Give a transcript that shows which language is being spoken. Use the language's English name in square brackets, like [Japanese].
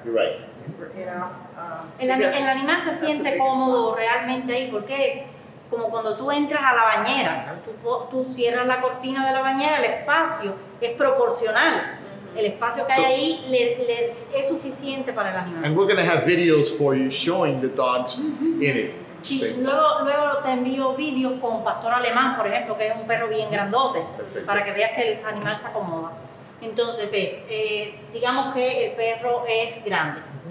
[English] You're right. [Spanish] El animal se siente cómodo realmente ahí, porque es como cuando tú entras a la bañera, tú cierras la cortina de la bañera, el espacio es proporcional. El espacio que hay ahí le es suficiente para el animal. [English] And we're going to have videos for you showing the dogs in it. [Spanish] Sí, luego te envío videos con pastor alemán, por ejemplo, que es un perro bien grandote, para que veas que el animal se acomoda. Entonces, ves, digamos que el perro es grande.